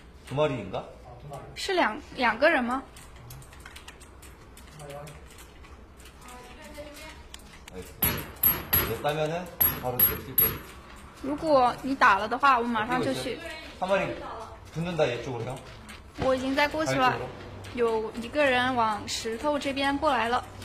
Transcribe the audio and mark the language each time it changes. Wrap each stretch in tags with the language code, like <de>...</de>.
<ko>두마리인가</ko> <zh>是两两个人吗</zh> <ko>나면은바로뛸거</ko> <zh>如果你打了的话我马上就去</zh> <ko>한마리붙는다이쪽으로요</ko> <zh>我已经在过去了有一个人往石头这边过来了</zh>